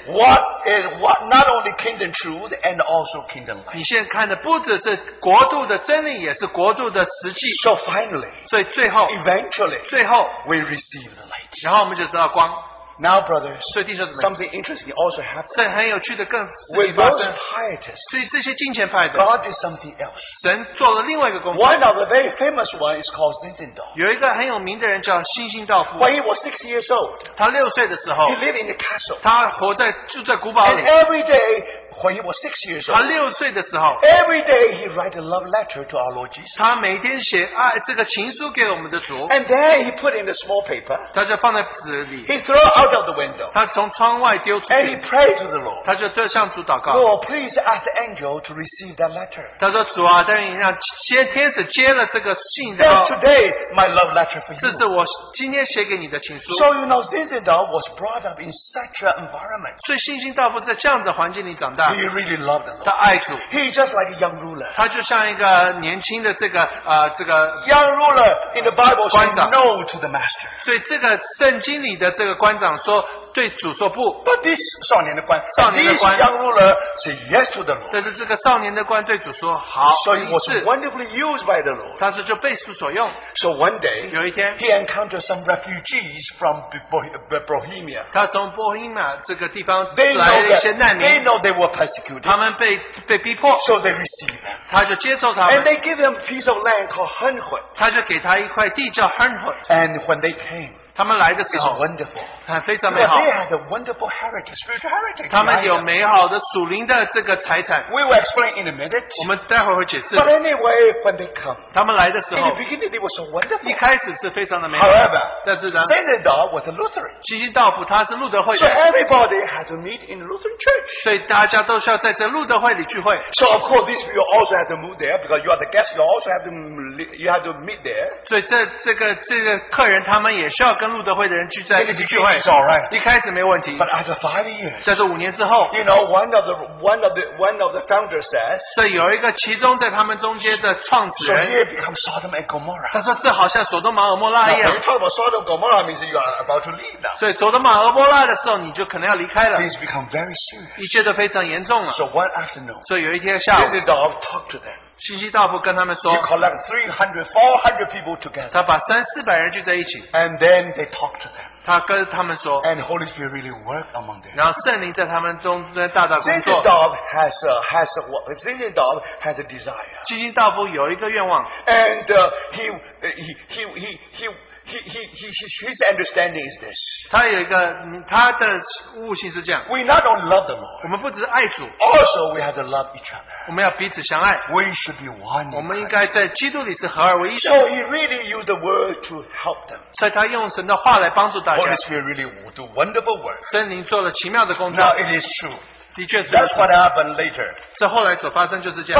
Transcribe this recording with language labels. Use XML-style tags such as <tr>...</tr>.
<en>What not only kingdom truth and also kingdom life.</en> <zh>你现在看的不只是国度的真理，也是国度的实际.</zh> <en>So finally,</en> <zh>所以最后,</zh> <en>eventually,</en> <zh>最后,</zh> <en>we receive the light.</en> <zh>然后我们就得到光.</zh> <en>Now, brothers,</en> <zh>所以弟兄姊妹,</zh> <en>something interesting also happens.</en> <zh>所以很有趣的更,</zh> <en>with those pietists,</en> <zh>所以这些敬虔派的,</zh> <en>God did something else.</en> <zh>神做了另外一个工作,</zh> <en>one of the very famous ones is called Zinzendorf.</en> <zh>有一个很有名的人叫星星道夫,</zh> <en>when he was 6 years old,</en> <zh>他6岁的时候,</zh> <en>he lived in a castle.</en> <zh>他活在, 住在古堡里,</zh> <en>and every day, when he was 6 years old,</en> <zh>他6岁的时候,</zh> <en>every day he write a love letter to our Lord Jesus.</en> <zh>他每天写爱, 这个情书给我们的主,</zh> <en>and then he put in a small paper.</en> <zh>他就放在纸里,</zh> <en>he threw out of the window.</en> <zh>他从窗外丢出去,</zh> <en>and he prayed to the Lord.</en> <zh>他就对向主祷告,</zh> <en>Lord, please ask the angel to receive that letter.</en> <zh>他说主啊, 但愿你让天使接了这个信,</zh> <en>that's today my love letter for you.</en> <zh>这是我今天写给你的情书。</zh> <en>So you know, Zinzendorf was brought up in such an environment.</en> <zh>所以星星道夫在这样的环境里长,</zh> <en>he really loved the Lord. He's just like a young ruler.</en> <zh>他就像一个年轻的这个,</zh> <en>young ruler in the Bible says no to the master.</en> <zh>所以这个圣经里的这个官长说, 对主说不,</zh> <en>but this</en> <zh>少年的官, 少年的官,</zh> <en>this young ruler say yes to the Lord.</en> <zh>但是这个少年的官对主说, 好,</zh> <en>so he was wonderfully used by the Lord.</en> <zh>但是就被主所用,</zh> <en>so one day,</en> <zh>有一天,</zh> <en>he encountered some refugees from Bohemia.</en> <zh>他从Bohemia这个地方, they</zh> <en>know they were persecuted.</en> <zh>他们被逼迫,</zh> <en>so they received them.</en> <zh>他就接受他们,</zh> <en>and they give them a piece of land called Hernhut.</en> <zh>他就给他一块地叫 Hernhut.</zh> <en>And when they came,</en> <zh>他们来的时候,</zh> <en>it's wonderful.</en> <zh>非常美好,</zh> <en>they had a wonderful heritage, spiritual heritage.</en> <zh>他们有美好的属灵的这个财产,</zh> <en>we will explain in a minute.</en> <zh>我们待会会解释,</zh> <en>but anyway, when they come,</en> <zh>他们来的时候,</zh> <en>in the beginning, they were so wonderful.</en> <zh>一开始是非常的美好,</zh> <en>however,</en> <zh>但是呢,</zh> <en>Zinzendorf was a Lutheran.</en> <zh>星星道夫他是路德会的,</zh> <en>so everybody had to meet in the Lutheran church.</en> <zh>所以大家都需要在这路德会里聚会,</zh> <en>so of course, these people also had to move there because you are the guest, you also have to, you have to meet there.</en> <zh>所以这个客人他们也需要 跟路德会的人聚在一起聚会,</zh> <en>it's alright.</en> <zh>一开始没问题,</zh> <en>but after 5 years,</en> <zh>在这5年之后,</zh> <en>you know, one of the founders says,</en> <zh>所以有一个其中在他们中间的创始人,</zh> <en>so here becomes Sodom and Gomorrah.</en> <zh>他说这好像索多玛俄摩拉一样,</zh> <en>when you talk about Sodom and Gomorrah, means you are about to leave now.</en> <zh>所以索多玛俄摩拉的时候, 你就可能要离开了,</zh> <en>things become very serious.</en> <zh>一切都非常严重了,</zh> <en>so one afternoon,</en> <zh>所以有一天下午,</zh> <en>Zinzendorf talked to them.</en> <zh>西西道夫跟他们说,</zh> <en>you collect 300, 400 people together.</en> <zh>他把300、400人聚在一起,</zh> <en>and then they talk to them.</en> <zh>他跟他们说,</zh> <en>and the Holy Spirit really worked among them.</en> <zh>然后圣灵在他们中间大大工作。</zh> <en>Zinzendorf has a desire.</en> <zh>西西道夫有一个愿望,</zh> <en>and his understanding is this.</en> <zh>他有一个他的悟性是这样,</zh> <en>we not only love the Lord,</en> <zh>我们不只是爱主,</zh> <en>also we have to love each other.</en> <zh>我们要彼此相爱,</zh> <en>we should be one.</en> <zh>我们应该在基督里是合而为一,</zh> <en>so he really used the word to help them.</en> <zh>所以他用神的话来帮助大家.</zh> <en>Holy Spirit really do wonderful work.</en> <zh>圣灵做了奇妙的工作.</zh> <en>Now it is true. That's what happened later.</en> <zh>这后来所发生就是这样.</zh>